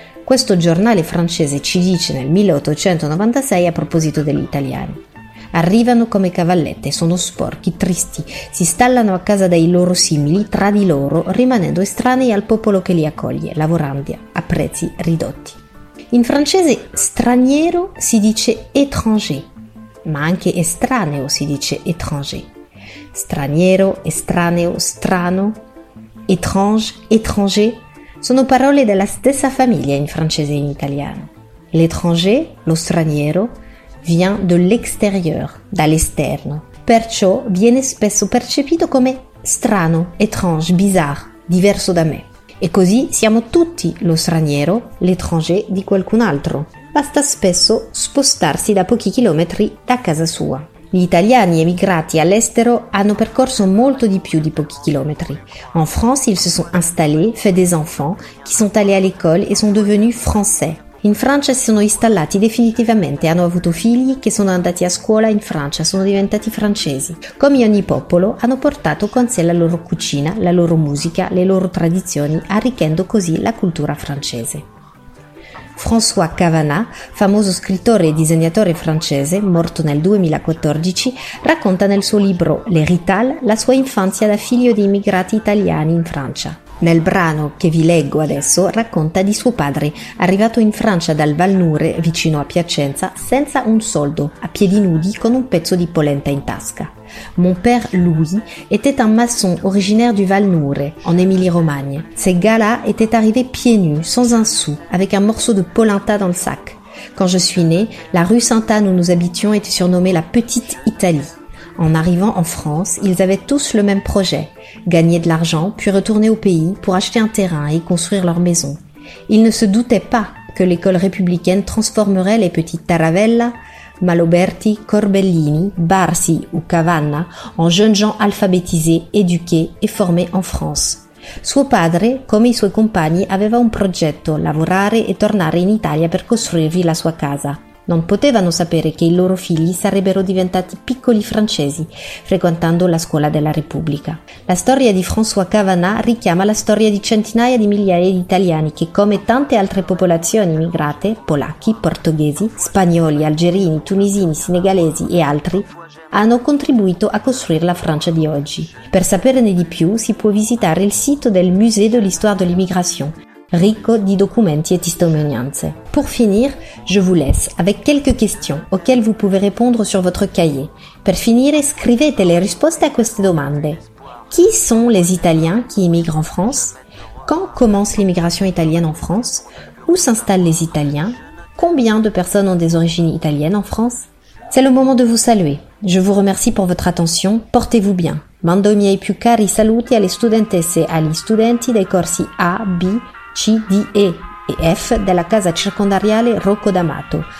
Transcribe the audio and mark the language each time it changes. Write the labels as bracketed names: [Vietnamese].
[Italian] Questo giornale francese ci dice nel 1896 a proposito degli italiani. Arrivano come cavallette, sono sporchi, tristi, si stallano a casa dei loro simili, tra di loro, rimanendo estranei al popolo che li accoglie, lavorando a prezzi ridotti. In francese straniero si dice étranger, ma anche estraneo si dice étranger. Straniero, estraneo, strano, étrange, étranger, sono parole della stessa famiglia in francese e in italiano. L'étranger, lo straniero, [French] vient de l'extérieur, [Italian] dall'esterno. Perciò viene spesso percepito come strano, étrange, bizarre, diverso da me. E così siamo tutti lo straniero, l'étranger di qualcun altro. Basta spesso spostarsi da pochi chilometri da casa sua. Gli italiani emigrati all'estero hanno percorso molto di più di pochi chilometri. [French] En France, ils se sont installés, fait des enfants, qui sont allés à l'école et sont devenus français. [Italian] In Francia si sono installati definitivamente, hanno avuto figli che sono andati a scuola in Francia, sono diventati francesi. Come ogni popolo, hanno portato con sé la loro cucina, la loro musica, le loro tradizioni, arricchendo così la cultura francese. François Cavana, famoso scrittore e disegnatore francese, morto nel 2014, racconta nel suo libro Les Ritals la sua infanzia da figlio di immigrati italiani in Francia. Nel brano che vi leggo adesso racconta di suo padre, arrivato in Francia dal Valnure, vicino a Piacenza, senza un soldo, a piedi nudi, con un pezzo di polenta in tasca. [French] Mon père Louis était un maçon originaire du Valnure, en Émilie-Romagne. Ces gars-là étaient arrivés pieds nus, sans un sou, avec un morceau de polenta dans le sac. Quand je suis né, la rue Sainte-Anne où nous habitions était surnommée la Petite Italie. En arrivant en France, ils avaient tous le même projet, gagner de l'argent, puis retourner au pays pour acheter un terrain et construire leur maison. Ils ne se doutaient pas que l'école républicaine transformerait les petits Taravella, Maloberti, Corbellini, Barsi ou Cavanna en jeunes gens alphabétisés, éduqués et formés en France. [Italian] Suo padre, come i suoi compagni, aveva un progetto, lavorare e tornare in Italia per costruirvi la sua casa. Non potevano sapere che i loro figli sarebbero diventati piccoli francesi, frequentando la scuola della Repubblica. La storia di François Cavana richiama la storia di centinaia di migliaia di italiani che, come tante altre popolazioni immigrate, polacchi, portoghesi, spagnoli, algerini, tunisini, senegalesi e altri, hanno contribuito a costruire la Francia di oggi. Per saperne di più, si può visitare il sito del Musée de l'Histoire de l'Immigration, ricco di documenti e testimonianze. [French] Pour finir, je vous laisse avec quelques questions auxquelles vous pouvez répondre sur votre cahier. [Italian] Per finire, scrivete le risposte a queste domande. [French] Qui sont les Italiens qui immigrent en France? Quand commence l'immigration italienne en France? Où s'installent les Italiens? Combien de personnes ont des origines italiennes en France? C'est le moment de vous saluer. Je vous remercie pour votre attention. Portez-vous bien. [Italian] Mando i miei più cari saluti alle studentesse e agli studenti dei corsi A, B, C, D, E e F della casa circondariale Rocco D'Amato.